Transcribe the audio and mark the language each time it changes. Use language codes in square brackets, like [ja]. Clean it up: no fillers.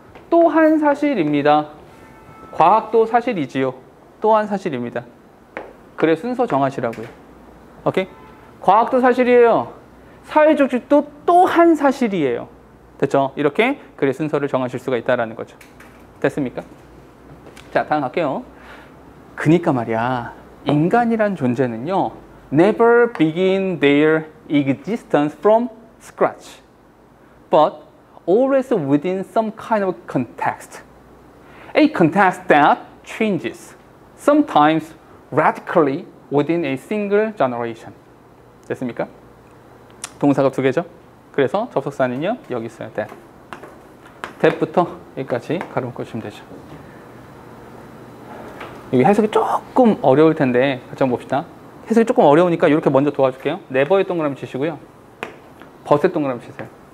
[ko] 또한 사실입니다. 과학도 사실이지요. 또한 사실입니다. 그래, 순서 정하시라고요. 오케이? 과학도 사실이에요. 사회조직도 또한 사실이에요. 됐죠? 이렇게 글의 순서를 정하실 수가 있다라는 거죠. 됐습니까? 자, 다음 갈게요. 그러니까 말이야, 인간이란 존재는요, [en] never begin their existence from scratch, but always within some kind of context. A context that changes, sometimes radically within a single generation. [ko] 됐습니까? 동사가 두 개죠? 그래서 접속사는요, 여기 있어요. that. that부터 여기까지 가로막고 주시면 되죠. 여기 해석이 조금 어려울 텐데 같이 한번 봅시다. 해석이 조금 어려우니까 이렇게 먼저 도와줄게요. 네버의 동그라미 치시고요. 버스의 동그라미 치세요.